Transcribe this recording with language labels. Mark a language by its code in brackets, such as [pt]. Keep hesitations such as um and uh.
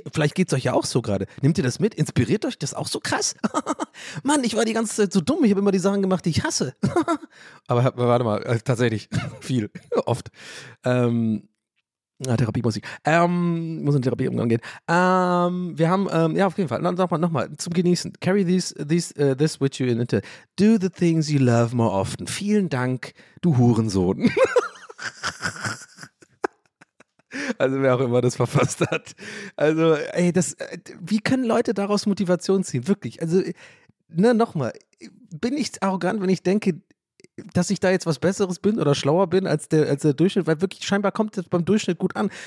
[de] vielleicht geht es euch ja auch so gerade. Nehmt ihr das mit? Inspiriert euch das auch so krass? Mann, ich war die ganze Zeit so dumm. Ich habe immer die Sachen gemacht, die ich hasse. Aber warte mal, tatsächlich viel, oft. Ähm na, Therapie muss ich, ähm, muss in Therapie umgang gehen. Ähm, wir haben, ähm, ja, auf jeden Fall. Nochmal, noch mal. zum Genießen. [en] Carry these, these, uh, this with you in into. Do the things you love more often. [de] Vielen Dank, du Hurensohn. Also wer auch immer das verfasst hat. Also, ey, das, wie können Leute daraus Motivation ziehen? Wirklich. Also, ne, nochmal, bin ich arrogant, wenn ich denke, dass ich da jetzt was Besseres bin oder schlauer bin als der, als der Durchschnitt, weil wirklich scheinbar kommt das beim Durchschnitt gut an.